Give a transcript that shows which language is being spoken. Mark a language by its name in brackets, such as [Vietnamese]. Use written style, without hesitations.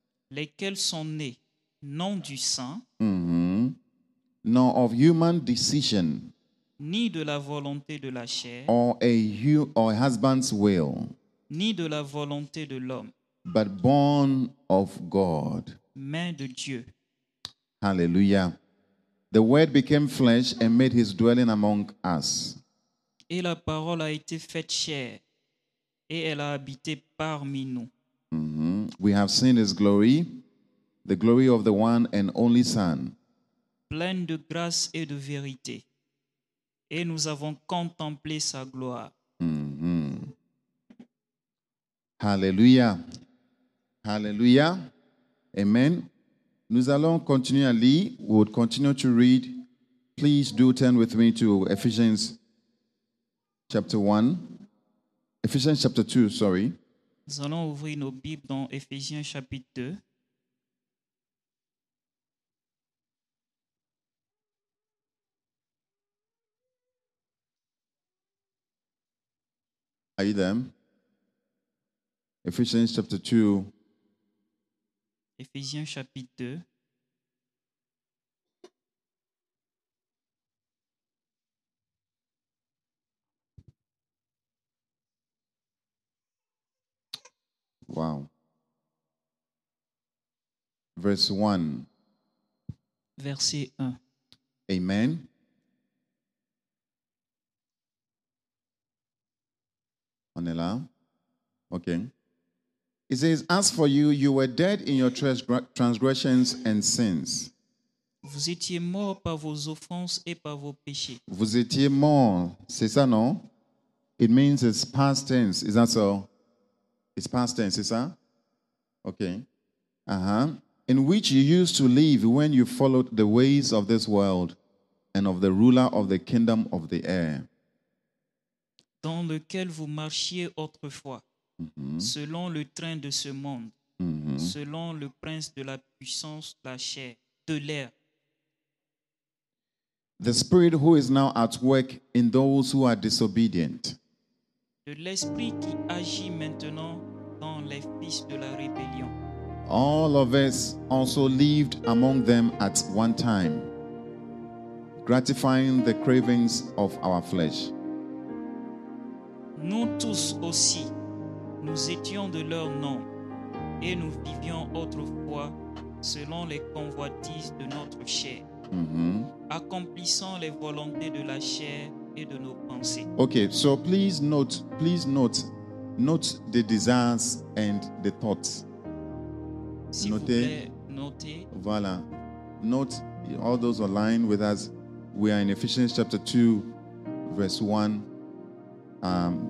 [French] lesquels sont nés non du sang, [English] mm-hmm, nor of human decision, [French] ni de la volonté de la chair, [English] or a husband's will, [French] ni de la volonté de l'homme, [English] but born of God, [French] mais de Dieu. [English] Hallelujah. The word became flesh and made his dwelling among us. [French] Et la parole a été faite chair, et elle a habité parmi nous. Mm-hmm. [English] We have seen his glory, the glory of the one and only Son. [French] Pleine de grâce et de vérité. Et nous avons contemplé sa gloire. Mm-hmm. [English] Hallelujah. Hallelujah. Amen. [French] Nous allons continuer à lire. [English] We would continue to read. Please do turn with me to Ephesians chapter 1. Ephesians chapter 2, sorry. [French] Nous allons ouvrir nos Bibles dans Ephésiens chapitre 2. [English] Are you there? Ephesians chapter 2. Ephesians chapter 2. Wow. Verse 1. [French] Verset 1. [English] Amen. [French] On est là. Okay. [English] It says, as for you, you were dead in your transgressions and sins. [French] Vous étiez mort par vos offenses et par vos péchés. Vous étiez mort. C'est ça, non? [English] It means it's past tense. Is that so? It's past tense, [French] c'est ça? [English] Okay. Uh-huh. In which you used to live when you followed the ways of this world and of the ruler of the kingdom of the air. [French] Dans lequel vous marchiez autrefois, mm-hmm, selon le train de ce monde, mm-hmm, selon le prince de la puissance, la chair, de l'air. [English] The spirit who is now at work in those who are disobedient. [French] De l'esprit qui agit maintenant dans les fils de la rébellion. [English] All of us also lived among them at one time, gratifying the cravings of our flesh. [French] Nous tous aussi, nous étions de leur nom, et nous vivions autrefois selon les convoitises de notre chair, mm-hmm, accomplissant les volontés de la chair et de nos pensées. [English] Okay, so please note the desires and the thoughts. [French] S'il vous plaît, notez. Voilà. [English] Note all those online with us. We are in Ephesians chapter 2, verse 1.